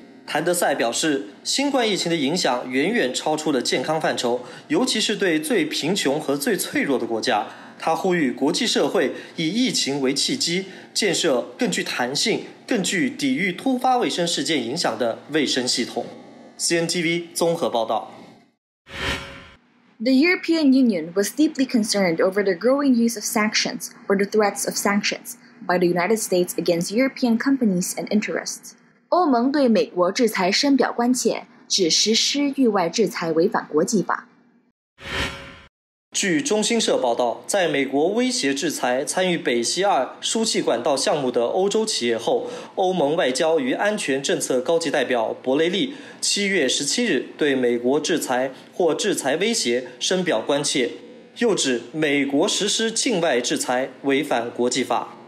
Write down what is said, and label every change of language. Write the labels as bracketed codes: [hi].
[zh] 谭德赛表示，新冠疫情的影响远远超出了健康范畴，尤其是对最贫穷和最脆弱的国家。他呼吁国际社会以疫情为契机，建设更具弹性、更具抵御突发卫生事件影响的卫生系统。 CNTV 综合报道。 [en] The European Union was deeply concerned over the growing use of sanctions or the threats of sanctions by the United States against European companies and interests. [zh] 欧盟对美国制裁深表关切，指实施域外制裁违反国际法。据中新社报道，在美国威胁制裁参与北溪二输气管道项目的欧洲企业后，欧盟外交与安全政策高级代表博雷利7月17日对美国制裁或制裁威胁深表关切，又指美国实施境外制裁违反国际法。